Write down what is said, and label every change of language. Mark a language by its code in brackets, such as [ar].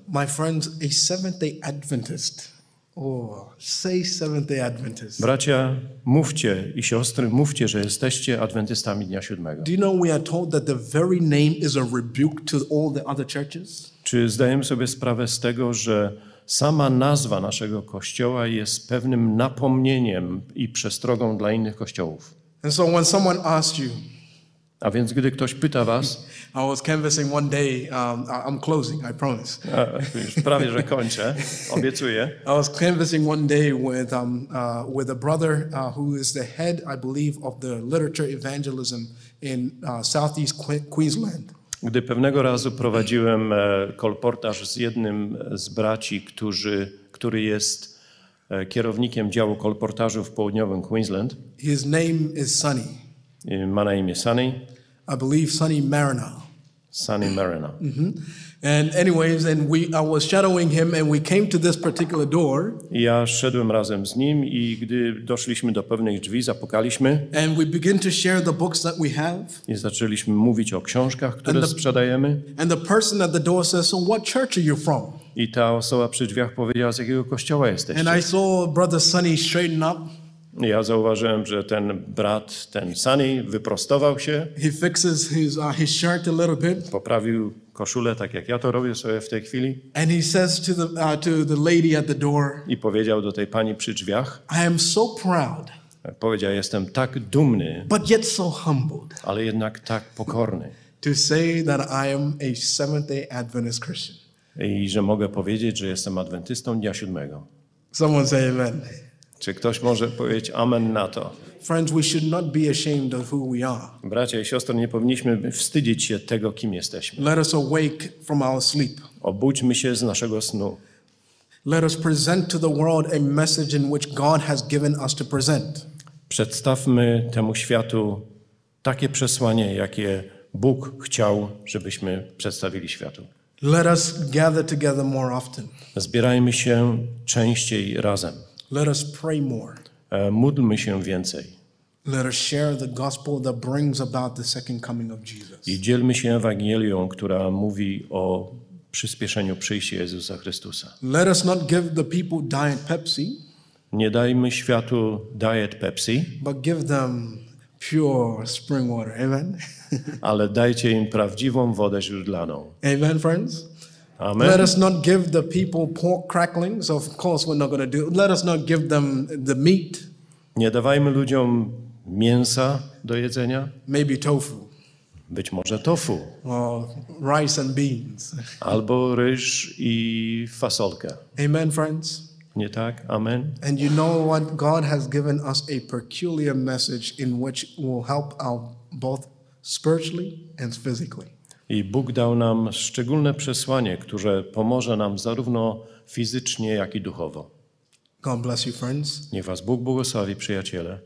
[en] My friends, a Seventh-day Adventist. Say Seventh-day Adventist. [pl] Bracia, mówcie i siostry, mówcie, że jesteście adwentystami dnia siódmego. [en] Do you know we are told that the very name is a rebuke to all the other churches? [pl] Czy zdajemy sobie sprawę z tego, że sama nazwa naszego kościoła jest pewnym napomnieniem i przestrogą dla innych kościołów? [en] And so when someone asked you, [pl] a więc gdy ktoś pyta was, [en] I was canvassing one day, I'm closing, I promise. [pl] Już prawie, że kończę, obiecuję. [en] I was canvassing one day with a brother who is the head, I believe, of the literature evangelism in Southeast Queensland. [pl] Gdy pewnego razu prowadziłem kolportaż z jednym z braci, który jest kierownikiem działu kolportażu w południowym Queensland. [en] His name is Sunny. [pl] Ma na imię Sunny. [en] I believe Sunny Marina. [pl] Sunny Marina. Mm-hmm. [en] And anyways, and I was shadowing him and we came to this particular door. [pl] Ja szedłem razem z nim i gdy doszliśmy do pewnych drzwi, zapukaliśmy. [en] And we begin to share the books that we have. [pl] I zaczęliśmy mówić o książkach, które sprzedajemy. [en] And the person at the door says, so what church are you from? [pl] I ta osoba przy drzwiach powiedziała, z jakiego kościoła jesteście. [en] And I saw brother Sunny straighten up. [pl] Ja zauważyłem, że ten brat, ten Sunny, wyprostował się. [en] He fixes his shirt a little bit. [pl] Poprawił koszulę, tak jak ja to robię sobie w tej chwili. [en] And he says to the lady at the door. [pl] I powiedział do tej pani przy drzwiach. [en] I am so proud. [pl] Powiedział, jestem tak dumny. [en] But yet so humbled. [pl] Ale jednak tak pokorny. [en] To say that I am a Seventh-day Adventist Christian. [pl] I że mogę powiedzieć, że jestem adwentystą dnia siódmego. [en] Someone say amen. [pl] Czy ktoś może powiedzieć amen na to? [en] Friends, we should not be ashamed of who we are. [pl] Bracia i siostry, nie powinniśmy wstydzić się tego, kim jesteśmy. [en] Let us awake from our sleep. [pl] Obudźmy się z naszego snu. [en] Let us present to the world a message in which God has given us to present. [pl] Przedstawmy temu światu takie przesłanie, jakie Bóg chciał, żebyśmy przedstawili światu. [en] Let us gather together more often. [pl] Zbierajmy się częściej razem. [en] Let us pray more. [pl] Módlmy się więcej. [en] Let us share the gospel that brings about the second coming of Jesus. [pl] I dzielmy się Ewangelią, która mówi o przyspieszeniu przyjścia Jezusa Chrystusa. [en] Let us not give the people diet Pepsi. [pl] Nie dajmy światu diet Pepsi. [en] But give them pure spring water. Amen. [pl] Ale dajcie im prawdziwą wodę źródlaną. [en] Amen, friends. Amen. Let us not give the people pork cracklings. Of course, we're not going to do. Let us not give them the meat. [pl] Nie dawajmy ludziom mięsa do jedzenia. [en] Maybe tofu. [pl] Być może tofu. [en] Or rice and beans. [pl] Albo ryż i fasolka. [en] Amen, friends. [pl] Nie tak? Amen. [en] And you know what? God has given us a peculiar message in which will help out both spiritually and physically. [pl] I Bóg dał nam szczególne przesłanie, które pomoże nam zarówno fizycznie, jak i duchowo. [en] God bless you, friends. [pl] Niech was Bóg błogosławi, przyjaciele.